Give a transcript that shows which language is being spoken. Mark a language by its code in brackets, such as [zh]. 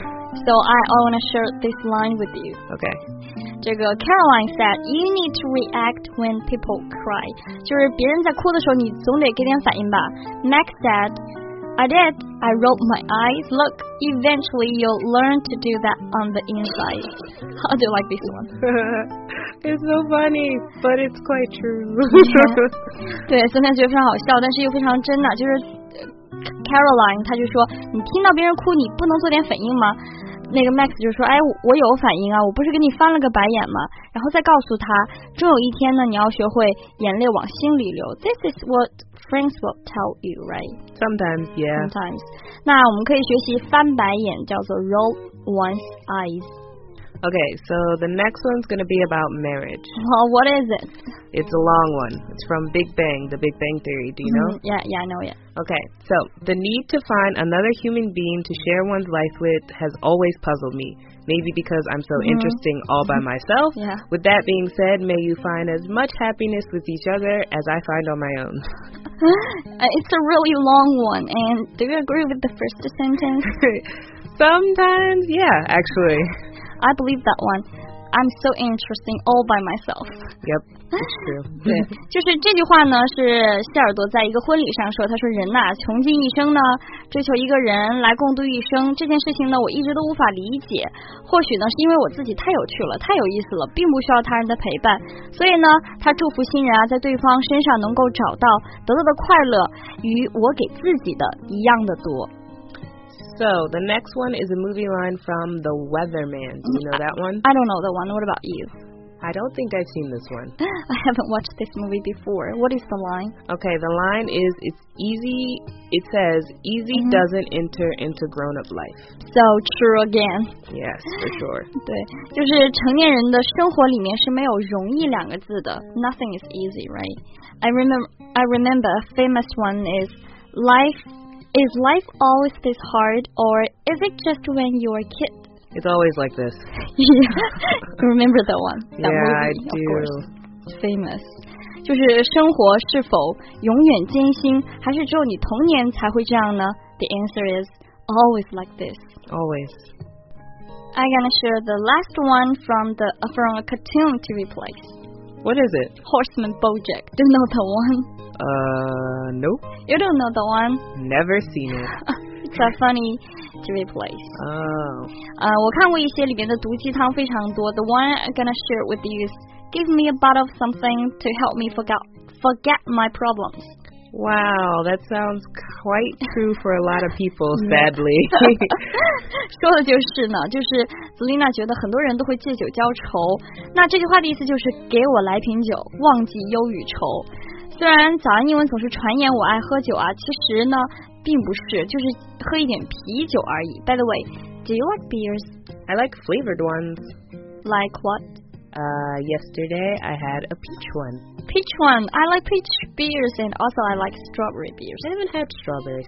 [en] So I want to share this line with you. Okay. [zh] 这个 [en] Caroline said, "You need to react when people cry." [zh] 就是别人在哭的时候，你总得给点反应吧。 [en] Max said, "I did. I rolled my eyes. Look, eventually you'll learn to do that on the inside." How do you like this one? It's so funny, but it's quite true. [zh] 对，虽然觉得非常好笑，但是又非常真的，就是。Caroline 他就说你听到别人哭你不能做点反应吗，那个 Max 就说哎，我有反应啊，我不是给你翻了个白眼吗，然后再告诉他终有一天呢你要学会眼泪往心里流。 [en] This is what friends will tell you, right? Sometimes, yeah. Sometimes. [zh] 那我们可以学习翻白眼叫做 [en] roll one's eyes. Okay, so the next one's gonna be about marriage. Well, what is it? It's a long one. It's from Big Bang, the Big Bang Theory. Do you know? Yeah, I know it. Okay, so the need to find another human being to share one's life with has always puzzled me. Maybe because I'm so interesting all by myself. Yeah. With that being said, may you find as much happiness with each other as I find on my own. It's a really long one. And do you agree with the first sentence? Sometimes, yeah, actually. I believe that one. I'm so interesting all by myself. Yep. [zh] 对，就是这句话呢，是谢尔多在一个婚礼上说，他说人呐，穷尽一生呢，追求一个人来共度一生，这件事情呢，我一直都无法理解。或许呢，是因为我自己太有趣了，太有意思了，并不需要他人的陪伴。所以呢，他祝福新人啊，在对方身上能够找到得到的快乐，与我给自己的一样的多。 [en] So the next one is a movie line from The Weatherman. Do you know that one? I don't know the one. What about you? I don't think I've seen this one. I haven't watched this movie before. What is the line? Okay, the line is, it's easy, it says, easy、mm-hmm. doesn't enter into grown-up life. So true again. Yes, for sure. [zh] 对，就是成年人的生活里面是没有容易两个字的。 [en] Nothing is easy, right? I remember a famous one is, is life always this hard, or is it just when you're a kid? It's always like this. Yeah, remember that one? That yeah, movie, I do. Famous. [zh] 就是生活是否永远艰辛，还是只有你童年才会这样呢？ [en] The answer is always like this. Always. I'm gonna share the last one from a cartoon TV place. What is it? Horseman Bojack. Do you know the one? Nope. You don't know the one? Never seen it. It's a funny... To replace. Oh. [zh] 我看过一些里面的毒鸡汤非常多。 [en] The one I'm gonna share with you is, give me a bottle of something to help me forget my problems. Wow, that sounds quite true for a lot of people, sadly. [zh] 说的就是呢，就是 Zelina 觉得很多人都会借酒浇愁。那这句话的意思就是给我来瓶酒，忘记忧与愁。虽然早安英文总是传言我爱喝酒啊，其实呢。并不是，就是喝一点啤酒而已。 [en] By the way, do you like beers? I like flavored ones. Like what? Yesterday I had a peach one. Peach one. I like peach beers and also I like strawberry beers. I haven't had strawberry.